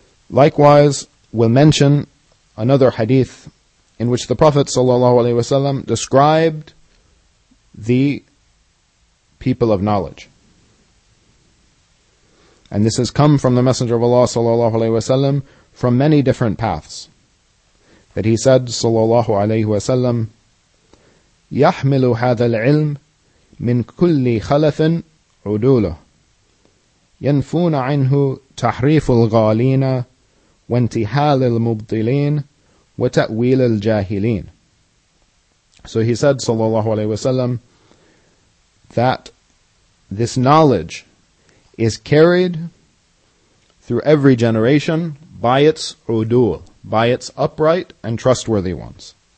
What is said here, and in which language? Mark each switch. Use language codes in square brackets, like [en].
[en] Likewise, we'll mention another hadith in which the Prophet ﷺ described the people of knowledge. And this has come from the Messenger of Allah sallallahu alaihi wasallam from many different paths. That he said [ar] sallallahu alaihi wasallam, يَحْمِلُ هَذَا الْعِلْمِ مِنْ كُلِّ خَلَفٍ عُدُولُهُ يَنْفُونَ عَنْهُ تَحْرِيفُ الْغَالِينَ وَانْتِحَالِ الْمُبْطِلِينَ وَتَأْوِيلِ الْجَاهِلِينَ. [en] So he said sallallahu alaihi wasallam that this knowledge is carried through every generation by its udul, by its upright and trustworthy ones.